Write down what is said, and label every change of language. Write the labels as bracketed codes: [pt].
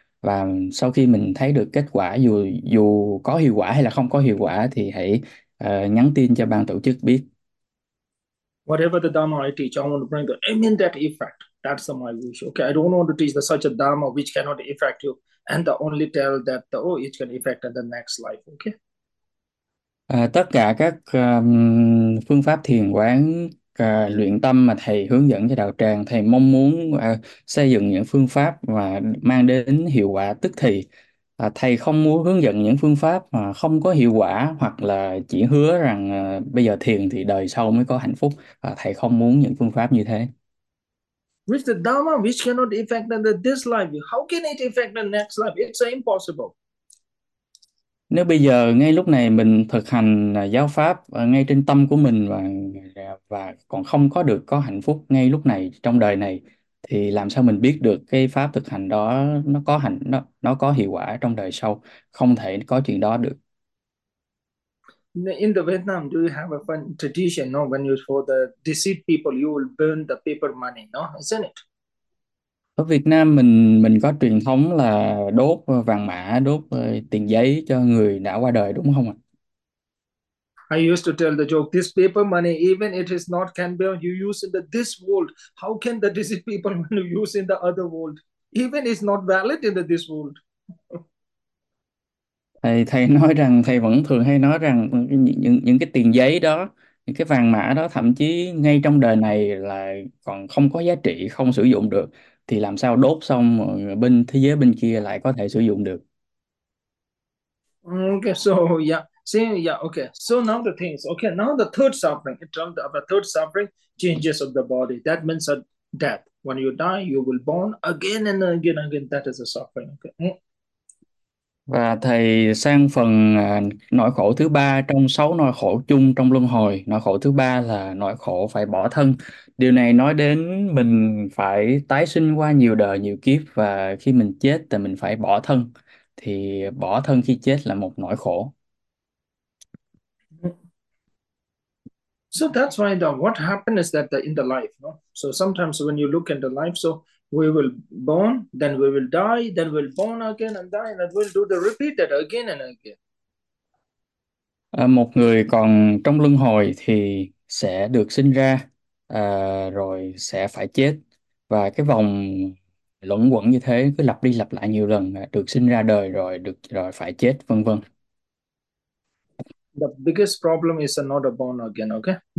[vi] Và sau khi mình thấy được kết quả, dù dù có hiệu quả hay là không có hiệu quả, thì hãy nhắn tin cho ban tổ chức biết. [en] Whatever the Dharma I teach, I want to bring the immediate effect. That's my wish. Okay, I don't want to teach the, such a Dharma which cannot affect you and the only tell that the, oh, it can affect the next life. Okay. [vi] Tất cả các phương pháp thiền quán luyện tâm mà thầy hướng dẫn cho đạo tràng, thầy mong muốn xây dựng những phương pháp và mang đến hiệu quả tức thì. Thầy không muốn hướng dẫn những phương pháp mà không có hiệu quả, hoặc là chỉ hứa rằng bây giờ thiền thì đời sau mới có hạnh phúc. Thầy không muốn những phương pháp như thế. [en] Which the Dharma which cannot affect the this life, how can it affect the next life? It's impossible. [vi] Nếu bây giờ ngay lúc này mình thực hành giáo pháp ngay trên tâm của mình và còn không có được có hạnh phúc ngay lúc này trong đời này, thì làm sao mình biết được cái pháp thực hành đó nó có hiệu quả trong đời sau? Không thể có chuyện đó được. [en] In the Vietnam, do you have a fun tradition? No, when you for the deceit people, you will burn the paper money, no, isn't it? [vi] Ở Việt Nam mình có truyền thống là đốt vàng mã, đốt tiền giấy cho người đã qua đời đúng không ạ? [en] I used to tell the joke, this paper money, even it is not can be you use in the this world, how can the deceit people when you use in the other world? Even it's not valid in the this world. [vi] Thầy nói rằng thầy vẫn thường hay nói rằng những cái tiền giấy đó, những cái vàng mã đó thậm chí ngay trong đời này là còn không có giá trị, không sử dụng được, thì làm sao đốt xong bên thế giới bên kia lại có thể sử dụng được. [en] Okay, so yeah, see, yeah, okay. So now the things, okay, now the third suffering, in terms of a third suffering, changes of the body. That means a death. When you die, you will born again and again and again. That is a suffering, okay. [vi] Và thầy sang phần nỗi khổ thứ ba trong sáu nỗi khổ chung trong luân hồi. Nỗi khổ thứ ba là nỗi khổ phải bỏ thân. Điều này nói đến mình phải tái sinh qua nhiều đời nhiều kiếp, và khi mình chết thì mình phải bỏ thân. Thì bỏ thân khi chết là một nỗi khổ. [en] So that's why the what happened is that in the life, no? So sometimes when you look in the life, so we will born, then we will die, then we'll born again and die, and then we'll do the repeat that again and again. [vi] Một người còn trong luân hồi thì sẽ được sinh ra, rồi sẽ phải chết, và cái vòng luẩn quẩn như thế cứ lặp đi lặp lại nhiều lần, được sinh ra đời rồi được rồi phải chết, vân vân. [en] The biggest problem is not a born again, okay?